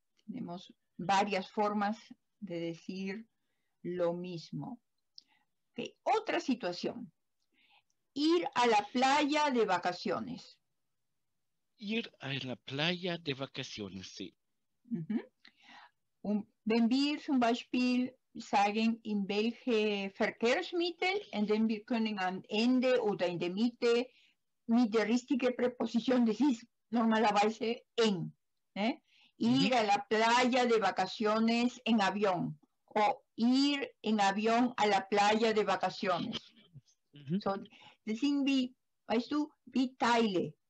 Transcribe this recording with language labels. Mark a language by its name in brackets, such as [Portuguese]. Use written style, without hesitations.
[Spanish] Tenemos varias formas de decir lo mismo. Okay. Otra situación. Ir a la playa de vacaciones. Ir a la playa de vacaciones, sí. [German] Wenn wir zum Beispiel sagen, in welche Verkehrsmittel, und dann wir können am Ende oder in der Mitte mit der richtigen Präposition, das ist normalerweise en, ne? [Spanish] Ir a la playa de vacaciones en avión, o ir en avión a la playa de vacaciones. [German] So, das sind wie, weißt du, wie Teile.